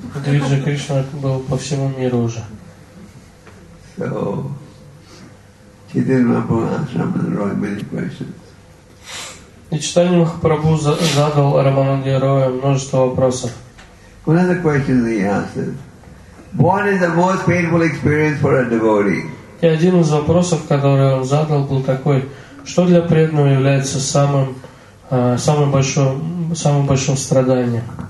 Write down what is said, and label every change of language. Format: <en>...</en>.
<ru>Гриджа Кришна был по всему миру уже.</ru> <en>So, Chaitanya Mahaprabhu asked Ramananda Roy many questions.</en> <ru>И Чайтанья Махапрабху задал Рамананде Роя множество вопросов.</ru> <en>One of the questions he asked is, what is the most painful experience for a devotee?</en> <ru>И один из вопросов, который он задал, был такой, что для преданного является самым большим страданием?</ru>